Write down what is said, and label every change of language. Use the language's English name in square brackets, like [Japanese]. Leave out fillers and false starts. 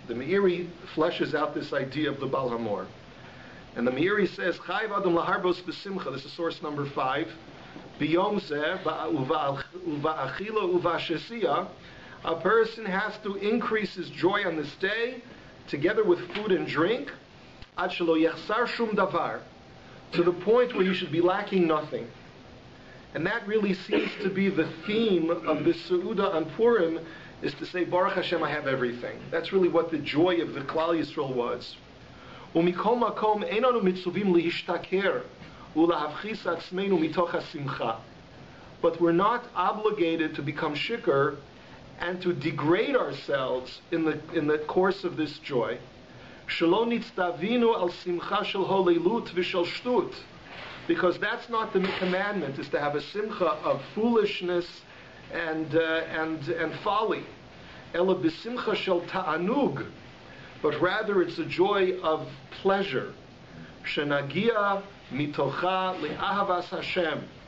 [English] The Meiri fleshes out this idea of the Baal Hamor. And the Meiri says, [Hebrew] Chayv adam laharbos v'simcha, [English] this is source number 5, [Hebrew] b'yom zeh uva'achila uva'shesia, [English] a person has to increase his joy on this day, together with food and drink, [Hebrew] ad shelo yechsar shum davar, [English] to the point where you should be lacking nothing. And that really seems to be the theme of this Seuda on Purim, is to say, Baruch Hashem, I have everything. That's really what the joy of the Klal Yisrael was. [Hebrew] ומכל מקום איננו מצווים להשתכר ולהפחיס עצמנו מתוך השמחה. [English] But we're not obligated to become shikr and to degrade ourselves in the course of this joy. [Hebrew] שלא נצטווינו על שמחה של הוללות ושל שטות. [English] Because that's not the commandment, is to have a simcha of foolishness and folly. [Hebrew] אלא בשמחה של תענוג. [English] But rather it's a joy of pleasure. [Hebrew] Shenagia mitocha le'ahavas Hashem.